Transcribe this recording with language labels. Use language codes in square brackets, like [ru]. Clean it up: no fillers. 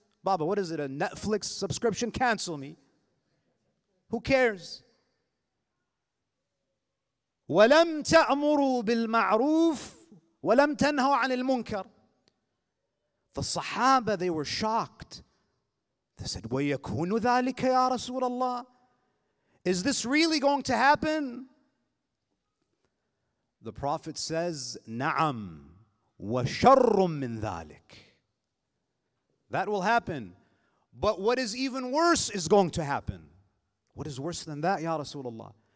[en] Baba, what is it, a Netflix subscription? Cancel me. Who cares? [ar] وَلَمْ تَأْمُرُوا بِالْمَعْرُوفِ وَلَمْ تَنْهَوْا عَنِ الْمُنْكَرِ. [en] The Sahaba, they were shocked. They said, [ar] وَيَكُونُ ذَلِكَ يَا رَسُولَ اللَّهِ. [en] Is this really going to happen? The Prophet says, [ar] نعم وَشَرٌّ مِّن ذَلِكَ. [en] That will happen. But what is even worse is going to happen. What is worse than that, Ya Rasulullah?